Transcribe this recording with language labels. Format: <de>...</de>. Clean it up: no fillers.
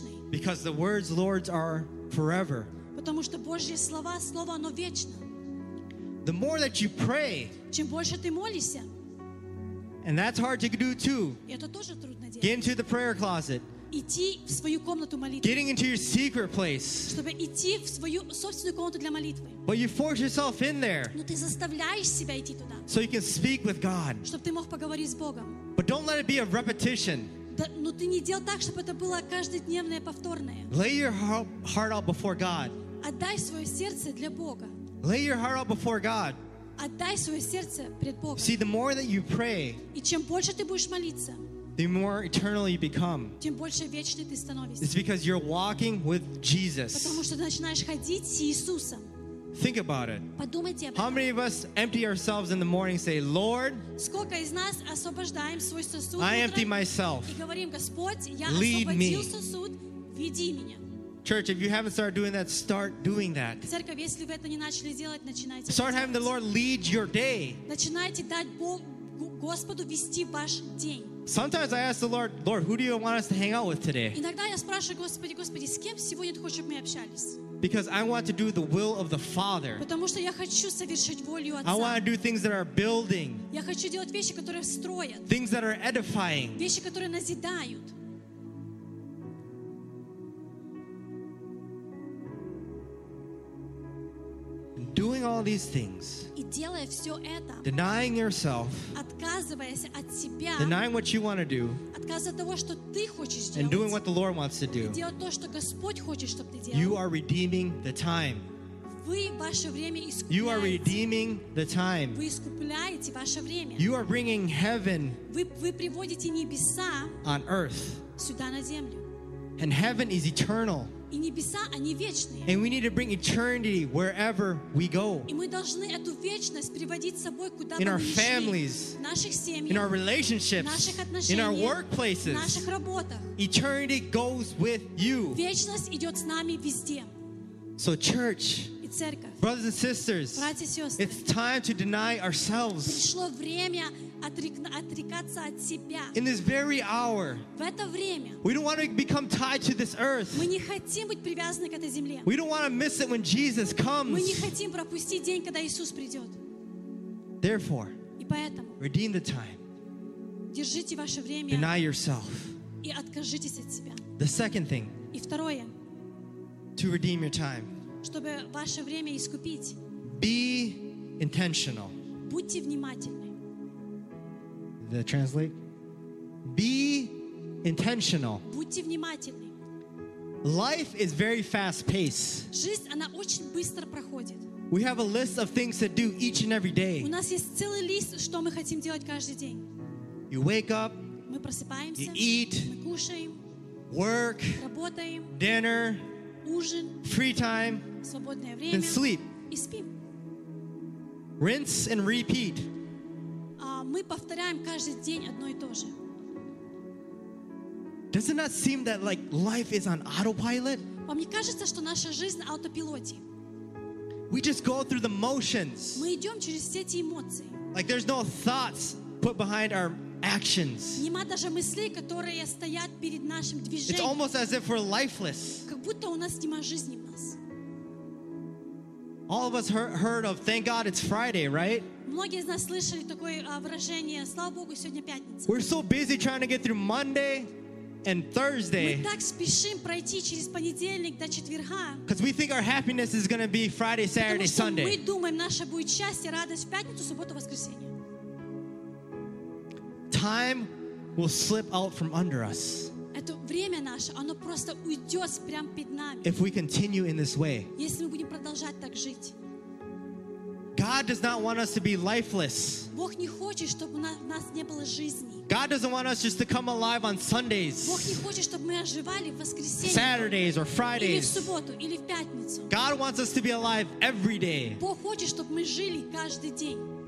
<en>Because the words, Lord's, are forever.</en> <ru>Потому что Божье слова, слово оно вечно.</ru> <en>The more that you pray,</en> <ru>чем больше ты молишься,</ru> <en>and that's hard to do too.</en> <ru>Это тоже трудно делать.</ru> <en>Get into the prayer closet.</en> <ru>Идти в свою комнату молитвы.</ru> <en>Getting into your secret place.</en> <ru>Чтобы идти в свою собственную комнату для молитвы.</ru> <en>But you force yourself in there.</en> <ru>Но ты заставляешь себя идти туда.</ru> <en>So you can speak with God.</en> <ru>Чтобы ты мог поговорить с Богом.</ru> <en>But don't let it be a repetition.</en> <ru>Но ты не делай так, чтобы это было каждодневное, повторное.</ru> <en>Lay your heart out before God.</en> <ru>Отдай свое сердце для Бога.</ru> <en>Lay your heart out before God.</en> <ru>Отдай свое сердце пред Богом.</ru> <en>See, the more that you pray,</en> <ru>и чем больше ты будешь молиться,</ru> <en>the more eternal you become.</en> <ru>Тем больше вечный ты становишься.</ru> <en>It's because you're walking with Jesus.</en> <ru>Потому что ты начинаешь ходить с Иисусом.</ru> <en>Think about it.</en> <ru>Подумайте об этом.</ru> <en>How many of us empty ourselves in the morning and say, Lord,</en> <ru>сколько из нас освобождаем свой сосуд?</ru> <en>I empty myself.</en> <ru>И говорим, Господь, я освободил сосуд, веди меня.</ru> <en>Church, if you haven't started doing that, start doing that.</en> <ru>Церковь, если вы это не начали делать, начинайте.</ru> <en>Start having the Lord lead your day.</en> <ru>Начинайте дать Богу, Господу вести ваш день.</ru> <en>Sometimes I ask the Lord, Lord, who do you want us to hang out with today?</en> <ru>Иногда я спрашиваю Господи, Господи, с кем сегодня ты хочешь, чтобы мы общались?</ru> <en>Because I want to do the will of the Father.</en> <ru>Потому что я хочу совершить волю Отца.</ru> <en>I want to do things that are building.</en> <ru>Я хочу делать вещи, которые строят.</ru> <en>Things that are edifying.</en> <ru>Вещи, которые назидают.</ru> <en>Doing all these things,</en> <ru>и делая все это,</ru> <en>denying yourself,</en> <ru>отказываясь от себя,</ru> <en>denying what you want to do,</en> <ru>отказываясь от того, что ты хочешь сделать,</ru> <en>and doing what the Lord wants to do,</en> <ru>и делать то, что Господь хочет, чтобы ты делал,</ru> <en>you are redeeming the time.</en> <ru>Вы ваше время искупляете.</ru> <en>You are redeeming the time.</en> <ru>Вы искупляете ваше время.</ru> <en>You are bringing heaven.</en> <ru>Вы приводите небеса</ru> <en>on earth.</en> <ru>Сюда на землю.</ru> <en>And heaven is eternal.</en> <ru>И небеса, они вечные.</ru> <en>And we need to bring eternity wherever we go.</en> <ru>И мы должны эту вечность приводить с собой куда бы мы ни шли.</ru> <en>In our families,</en> <ru>в наших семьях,</ru> <en>in our relationships,</en> <ru>в наших отношениях,</ru> <en>in our workplaces,</en> <ru>в наших работах.</ru> <en>Eternity goes with you.</en> <ru>Вечность идет с нами везде.</ru> <en>So church,</en> <ru>и церковь,</ru> <en>brothers and sisters,</en> <ru>братья и сестры,</ru> <en>it's time to deny ourselves.</en> <ru>Пришло время отрекаться от себя.</ru> <en>In this very hour,</en> <ru>в это время,</ru> <en>we don't want to become tied to this earth.</en> <ru>Мы не хотим быть привязаны к этой земле.</ru> <en>We don't want to miss it when Jesus comes.</en> <ru>Мы не хотим пропустить день, когда Иисус придет.</ru> <en>Therefore,</en> <ru>и поэтому,</ru> <en>redeem the time.</en> <ru>Держите ваше время.</ru> <en>Deny yourself.</en> <ru>И откажитесь от себя.</ru> <en>The second thing.</en> <ru>И второе.</ru> <en>To redeem your time.</en> <ru>Чтобы ваше время искупить.</ru> <en>Be intentional.</en> <ru>Будьте внимательны.</ru> <en>The translate. Be intentional.</en> <ru>Будьте внимательны.</ru> <en>Life is very fast paced.</en> <ru>Жизнь, она очень быстро проходит.</ru> <en>We have a list of things to do each and every day.</en> <ru>У нас есть целый лист, что мы хотим делать каждый день.</ru> <en>You wake up.</en> <ru>Мы просыпаемся.</ru> <en>You eat.</en> <ru>Мы кушаем.</ru> <en>Work.</en> <ru>Работаем.</ru> <en>Dinner.</en> <ru>Ужин.</ru> <en>Free time.</en> <ru>Свободное время.</ru> <en>And sleep.</en> <ru>И спим.</ru> <en>Rinse and repeat.</en> <ru>Мы повторяем каждый день одно и то же.</ru> <en>Does it not seem that like life is on autopilot?</en> <ru>Вам не кажется, что наша жизнь на автопилоте?</ru> <en>We just go through the motions.</en> <ru>Мы идем через все эти эмоции.</ru> <en>Like there's no thoughts put behind our actions.</en> <ru>Нема даже мыслей, которые стоят перед нашим движением.</ru> <en>It's almost as if we're lifeless.</en> <ru>Как будто у нас нема жизни в нас.</ru> <en>All of us heard of "Thank God it's Friday," right?</en> <ru>Многие из нас слышали такое выражение: "Слава Богу, сегодня пятница."</ru> <en>We're so busy trying to get through Monday and Thursday.</en> <ru>Мы так спешим пройти через понедельник до четверга.</ru> <en>Because we think our happiness is going to be Friday, Saturday, Sunday.</en> <ru>Потому что мы думаем, наше будет счастье, радость в пятницу, субботу, воскресенье.</ru> <en>Time will slip out from under us.</en> <ru>Это время наше, оно просто уйдет прямо перед нами.</ru> <en>If we continue in this way.</en> <ru>Если мы будем продолжать так жить.</ru> <en>God does not want us to be lifeless.</en> <ru>Бог не хочет, чтобы у нас не было жизни.</ru> <en>God doesn't want us just to come alive on Sundays.</en> <ru>Бог не хочет, чтобы мы оживали в воскресенье.</ru> <en>Saturdays or Fridays.</en> <ru>Или в субботу, или в пятницу.</ru> <en>God wants us to be alive every day.</en> <ru>Бог хочет, чтобы мы жили каждый день.</ru>